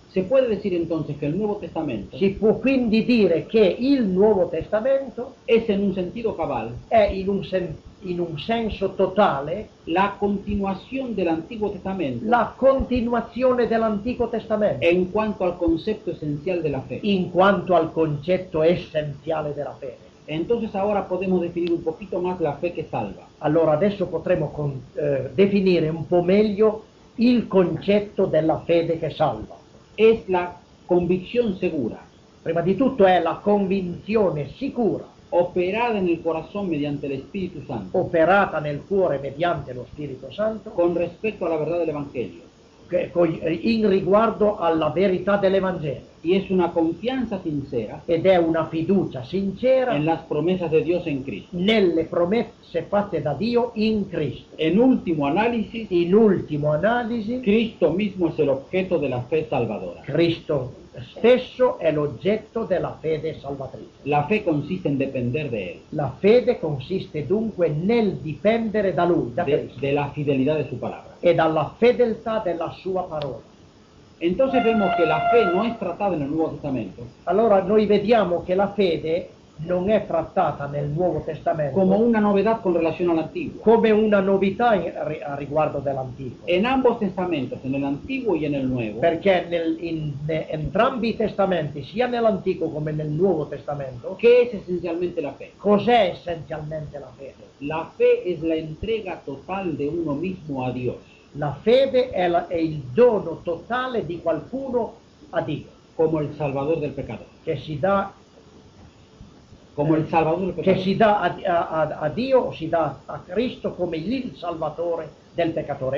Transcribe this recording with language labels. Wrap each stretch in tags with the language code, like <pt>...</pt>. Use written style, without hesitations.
<es>Se puede decir entonces que el Nuevo Testamento.</es> <it>Si può quindi dire che il Nuovo Testamento</it> <es>es en un sentido cabal.</es> <it>È in un senso totale</it> <es>la continuación del Antiguo Testamento.</es> <it>La continuazione dell'Antico Testamento.</it> <es>En cuanto al concepto esencial de la fe.</es> <it>In quanto al concetto essenziale della fede.</it> <es>Entonces ahora podemos definir un poquito más la fe que salva.</es> <it>Allora adesso potremo definire un po' meglio il concetto della fede che salva.</it> <es>Es la convicción segura.</es> <it>Prima di tutto è la convinzione sicura.</it> <es>Operada en el corazón mediante el Espíritu Santo.</es> <it>Operata nel cuore mediante lo Spirito Santo.</it> <es>Con respecto a la verdad del Evangelio.</es> <it>In riguardo alla verità dell'Evangelio.</it> <es>Y es una confianza sincera.</es> <it>Ed è una fiducia sincera.</it> <es>En las promesas de Dios en Cristo.</es> <it>Nelle promesse fatte da Dio in Cristo. In ultimo analisi.</it> <es>Cristo mismo es el objeto de la fe salvadora.</es> <it>Cristo stesso è l'oggetto della fede salvatrice.</it> <es>La fe consiste en depender de él.</es> <it>La fede consiste dunque nel dipendere da lui, da Cristo.</it> <es>De la fidelidad de su palabra.</es> <it>E dalla fedeltà della sua parola.</it> <es>Entonces vemos que la fe no es tratada en el Nuevo Testamento.</es> <it>Allora noi vediamo che la fede non è trattata nel Nuovo Testamento.</it> <es>Como una novedad con relación al Antiguo.</es> <it>Come una novità a riguardo dell'Antico.</it> <es>En ambos testamentos, en el Antiguo y en el Nuevo.</es> <it>Perché entrambi i testamenti, sia nell'Antico come nel Nuovo Testamento.</it> <es>¿Qué es esencialmente la fe?</es> <it>Cos'è essenzialmente la fede?</it> <es>La fe es la entrega total de uno mismo a Dios.</es> <it>La fede è il dono totale di qualcuno a Dio. Come il salvador del peccato. Che si dà. Come il salvador del peccato. Che si dà a Dio, o si dà a Cristo come il salvatore del peccatore.</it>